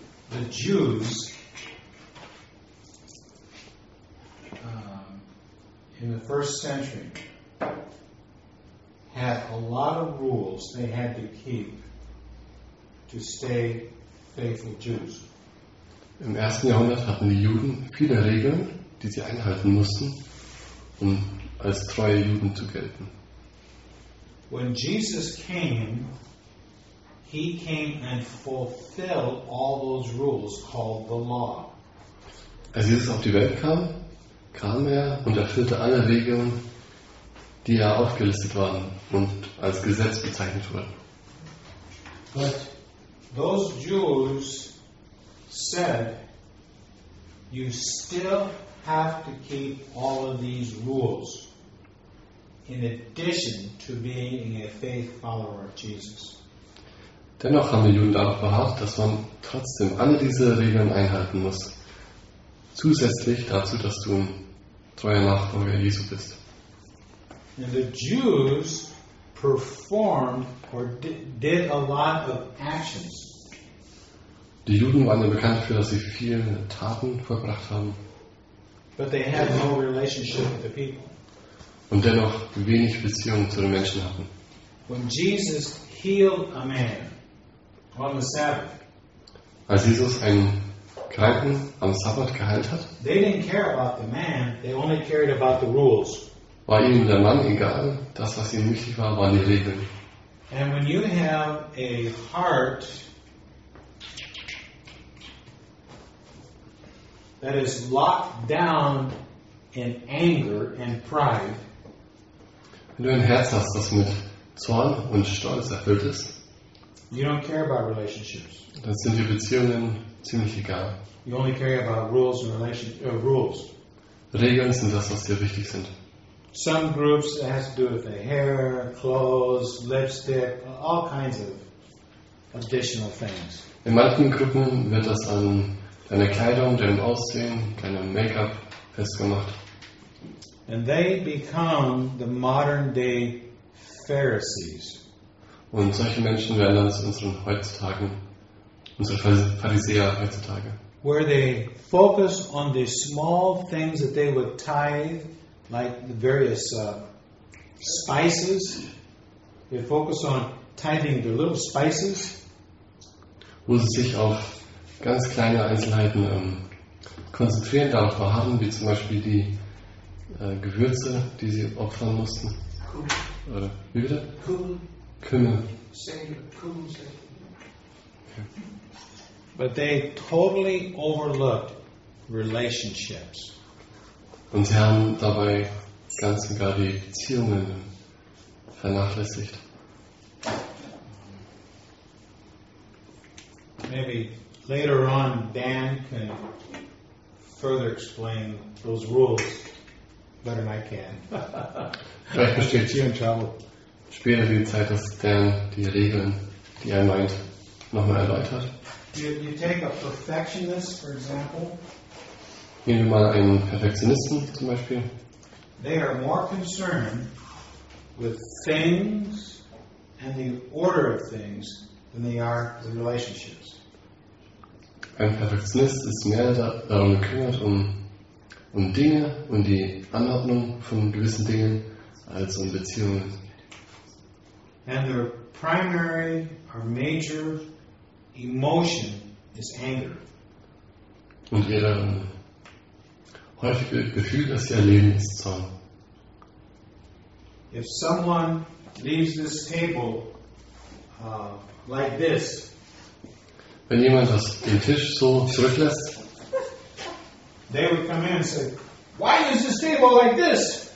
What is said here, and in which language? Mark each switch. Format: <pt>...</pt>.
<en>The Jews in the first century had a lot of rules they had to keep to stay faithful Jews.</en> <de>Im ersten Jahrhundert hatten die Juden viele Regeln, die sie einhalten mussten, um als treue Juden zu gelten.</de> <en>When Jesus came, he came and fulfilled all those rules called the law.</en> <de>Als Jesus auf die Welt kam, kam er und erfüllte alle Regeln, die er aufgelistet waren und als Gesetz bezeichnet wurden.</de> <en>But those Jews said, you still have to keep all of these rules in addition to being a faith follower of Jesus.</en> <de>Dennoch haben die Juden darauf beharrt, dass man trotzdem alle diese Regeln einhalten muss, zusätzlich dazu, dass du ein treuer Nachfolger Jesu bist.</de> <en>And the Jews performed or did a lot of actions.</en> <de>Die Juden waren ja bekannt dafür, dass sie viele Taten vollbracht haben.</de> <en>But they had no relationship with the people.</en> <de>Und dennoch wenig Beziehung zu den Menschen hatten.</de> <en>When Jesus healed a man on the Sabbath,</en> <de>als Jesus einen Kranken am Sabbat geheilt hat,</de> <en>they didn't care about the man, they only cared about the rules.</en> <de>War ihnen der Mann egal, das was ihnen wichtig war, waren die Regeln.</de> <en>And when you have a heart that is locked down in anger and pride,</en> <de>wenn du ein Herz hast, das mit Zorn und Stolz erfüllt ist,</de> <en>you don't care about relationships.</en> <de>Dann sind die Beziehungen ziemlich egal.</de> <en>You only care about rules and rules.</en> <de>Regeln sind das, was dir wichtig sind.</de> <en>Some groups has to do with the hair, clothes, lipstick, all kinds of additional things.</en> <de>In manchen Gruppen wird das an deiner Kleidung, deinem Aussehen, deinem Make-up festgemacht.</de> <en>And they become the modern day Pharisees.</en> <de>Und solche Menschen werden dann zu unseren heutzutage, unsere Pharisäer heutzutage.</de> <en>Where they focus on the small things that they would tithe, like the various spices. They focus on tithing the little spices.</en> <de>Wo sie sich auf ganz kleine Einzelheiten konzentrieren, darauf beharren, wie zum Beispiel die Gewürze, die sie opfern mussten. Kümmel. Oder wie bitte? Kümmel. Kümmel. Sage, Kümmel. Okay.</de> <en>But they totally overlooked relationships.</en> <de>Und sie haben dabei ganz und gar die Beziehungen vernachlässigt.</de> <en>Maybe later on Dan can further explain those rules better than I can.</en> <de>Vielleicht besteht hier in Trouble. Später die Zeit, dass Dan die Regeln, die er meint, nochmal erläutert.</de> <en>You take a perfectionist, for example.</en> <de>Nehmen wir mal einen Perfektionisten zum Beispiel.</de> <en>They are more concerned with things and the order of things than they are with relationships.</en> <de>Ein Perfektionist ist mehr darum gekümmert um Dinge und die Anordnung von gewissen Dingen als um Beziehungen.</de> <en>And their primary or major emotion is anger.</en> <de>Und ihre häufige Gefühl, das sie erleben, ist Zorn.</de> <en>If someone leaves this table like this,</en> <de>wenn jemand das den Tisch so zurücklässt,</de> <en>they would come in and say, "Why is this table like this?"</en>